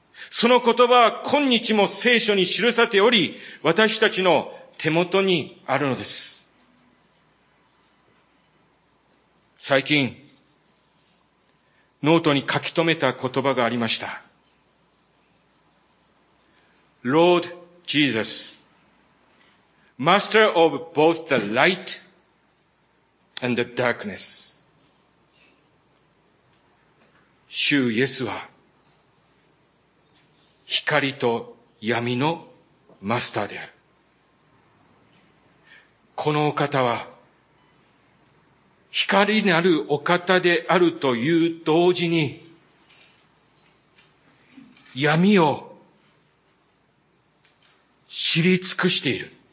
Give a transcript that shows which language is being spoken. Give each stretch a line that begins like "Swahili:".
Japanese: その言葉は今日も聖書に記されており、私たちの手元にあるのです。最近、ノートに書き留めた言葉がありました。
English: Lord Jesus, Master of both the light and the darkness.
Japanese: 主イエスは、光と闇のマスターである。このお方は、光なるお方であるという同時に、闇を知り尽くしている。